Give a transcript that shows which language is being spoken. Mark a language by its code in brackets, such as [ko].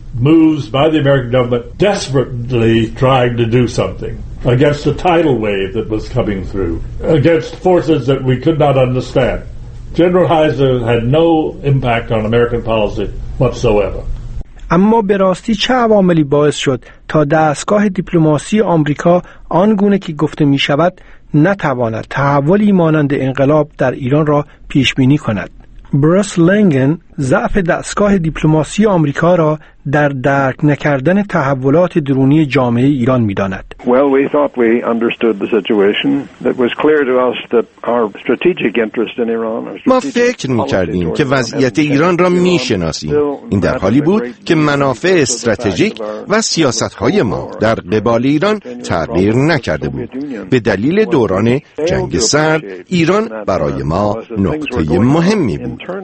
[en] Moves by the American government desperately trying to do something against the tidal wave that was coming through, against forces that we could not understand. General Heiser had no impact on American policy whatsoever. [fa] اما به راستی چه عواملی باعث شد تا دستگاه دیپلماسی آمریکا آن گونه که گفته می شود نتواند تحولی مانند انقلاب در ایران را پیش بینی کند؟ بروس لنگن ضعف دستگاه دیپلماسی آمریکا را در درک نکردن تحولات درونی جامعه ایران می‌داند. [en] Well, we thought we understood the situation. It was clear to us that our strategic interest in Iran. [fa] ما فکر می‌کردیم که وضعیت ایران را می‌شناسیم. این در حالی بود که منافع استراتژیک و سیاست‌های ما در قبال ایران تغییر نکرده بود. به دلیل دوران جنگ سرد، ایران برای ما نقطه مهمی بود.